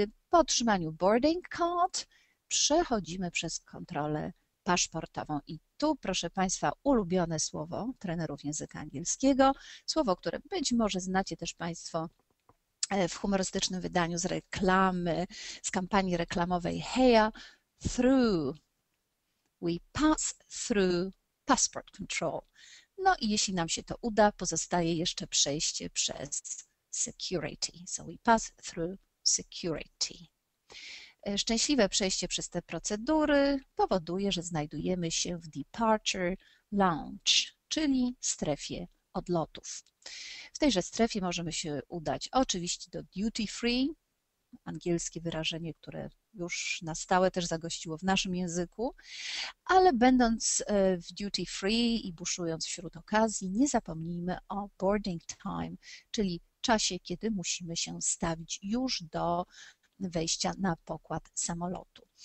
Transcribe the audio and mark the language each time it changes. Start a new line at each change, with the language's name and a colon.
Polish: Po otrzymaniu boarding card przechodzimy przez kontrolę paszportową. I tu, proszę Państwa, ulubione słowo trenerów języka angielskiego, słowo, które być może znacie też Państwo w humorystycznym wydaniu z reklamy, z kampanii reklamowej Heya, through.
English: We pass through passport control.
Polish: No i jeśli nam się to uda, pozostaje jeszcze przejście przez security.
English: So we pass through security.
Polish: Szczęśliwe przejście przez te procedury powoduje, że znajdujemy się w departure lounge, czyli strefie odlotów. W tejże strefie możemy się udać oczywiście do duty free, angielskie wyrażenie, które już na stałe też zagościło w naszym języku, ale będąc w duty free i buszując wśród okazji, nie zapomnijmy o boarding time, czyli czasie, kiedy musimy się stawić już do wejścia na pokład samolotu.